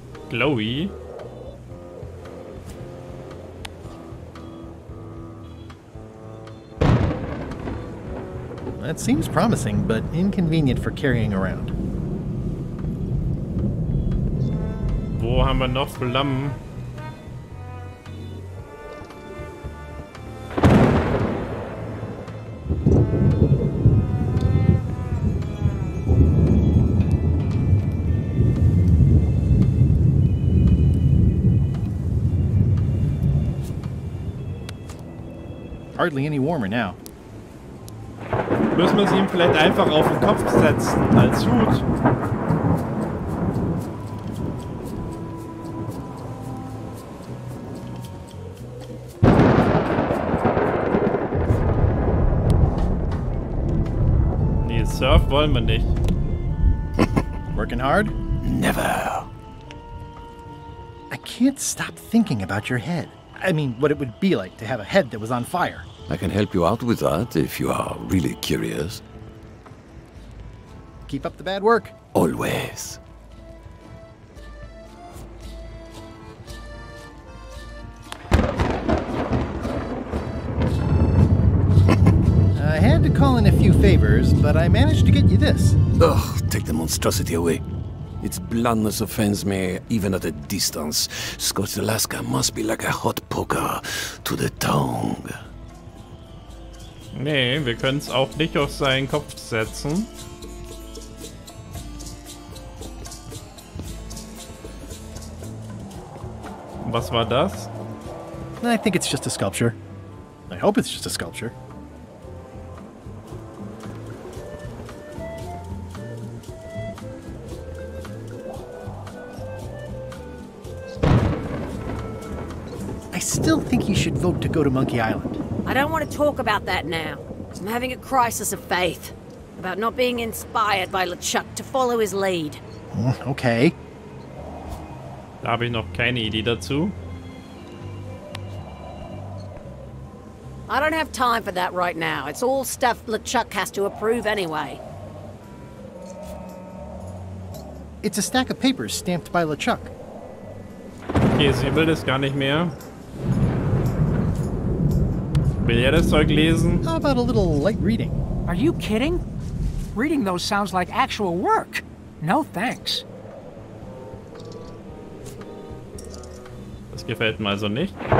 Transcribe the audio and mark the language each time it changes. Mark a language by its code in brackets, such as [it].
[en] Chloe. That seems promising, but inconvenient for carrying around. [de] Wo haben wir noch Flammen? [en] Hardly any warmer now. [de] Müssen wir sie ihm vielleicht einfach auf den Kopf setzen als Hut? Nee, Surf wollen wir nicht. [en] Working hard? Never. I can't stop thinking about your head. I mean, what it would be like to have a head that was on fire. I can help you out with that, if you are really curious. Keep up the bad work. Always. I had to call in a few favors, but I managed to get you this. Ugh, take the monstrosity away. Its blandness offends me, even at a distance. Scorched Alaska must be like a hot poker to the tongue. [de] Nee, wir können's auch nicht auf seinen Kopf setzen. Was war das? [en] I think it's just a sculpture. I hope it's just a sculpture. I still think you should vote to go to Monkey Island. I don't want to talk about that now. I'm having a crisis of faith. About not being inspired by LeChuck to follow his lead. Okay. [de] Da habe ich noch keine Idee dazu. [en] I don't have time for that right now. It's all stuff LeChuck has to approve anyway. It's a stack of papers stamped by LeChuck. [de] Okay, sie will das gar nicht mehr. Will er das Zeug lesen? [en] How about a little light reading? Are you kidding? Reading those sounds like actual work. No thanks. [de] Das gefällt mir also nicht.